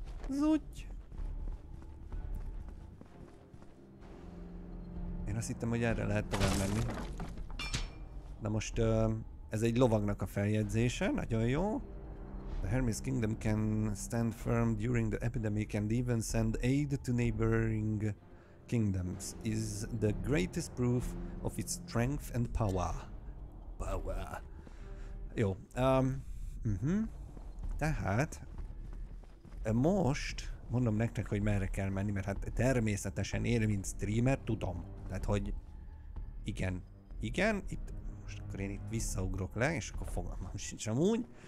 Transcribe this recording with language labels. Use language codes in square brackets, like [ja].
[hu] Zuty. Én azt hittem, hogy erre lehet tovább menni. Na most ez egy lovagnak a feljegyzése, nagyon jó. [en] The Hermes Kingdom can stand firm during the epidemic and even send aid to neighboring kingdoms. Is the greatest proof of its strength and power. [hu] Power. Jó. Tehát most mondom nektek, hogy merre kell menni, mert hát természetesen én, mint streamer, tudom. Tehát, hogy igen. igen, itt most akkor én itt visszaugrok le, és akkor fogalmam sincs amúgy.